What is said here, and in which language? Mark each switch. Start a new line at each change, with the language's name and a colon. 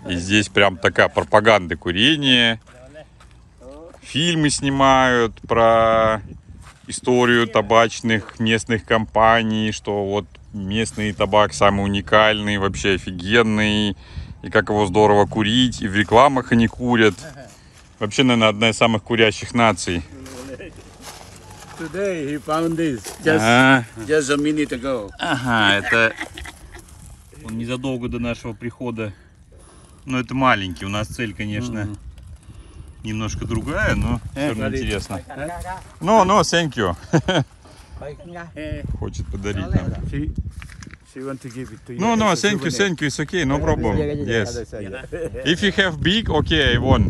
Russian: И здесь прям такая пропаганда курения. Фильмы снимают про историю табачных местных компаний, что вот местный табак самый уникальный, вообще офигенный, и как его здорово курить, и в рекламах они курят. Вообще, наверное, одна из самых курящих наций.
English: Today he found this just a minute ago.
Russian: Ага, это он незадолго до нашего прихода. Но это маленький, у нас цель, конечно, немножко другая, но все равно интересно. Но,
English: thank you.
Russian: Хочет подарить нам.
English: No, thank you, it's okay, no problem. Yes. If you have big, okay, I won.